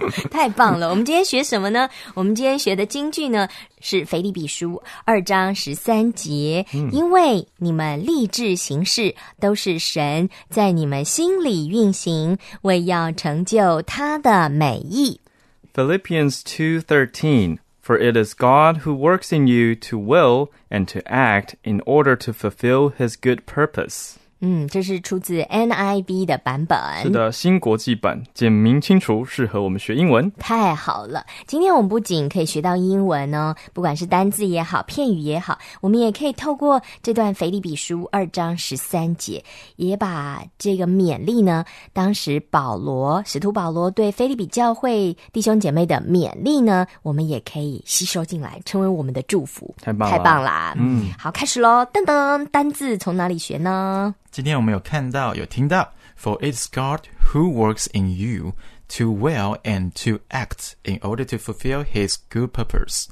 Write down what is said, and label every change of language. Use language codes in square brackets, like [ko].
[zh] 太棒了。我们今天学什么呢？我们今天学的金句呢是腓立比书2:13，因为你们立志行事都是神在你们心里运行，为要成就他的美意。 [en] Philippians 2:13, For it is God who works in you to will and to act in order to fulfill his good purpose. [zh] 嗯，这是出自 NIV 的版本。是的，新国际版，简明清楚，适合我们学英文。太好了，今天我们不仅可以学到英文哦，不管是单字也好，片语也好，我们也可以透过这段腓立比书2:13，也把这个勉励呢，当时保罗，使徒保罗对腓立比教会弟兄姐妹的勉励呢，我们也可以吸收进来，成为我们的祝福。太棒了。太棒了。嗯。好，开始咯，噔噔，单字从哪里学呢？今天我们有看到有听到 [en] For it's God who works in you to will and to act in order to fulfill his good purpose、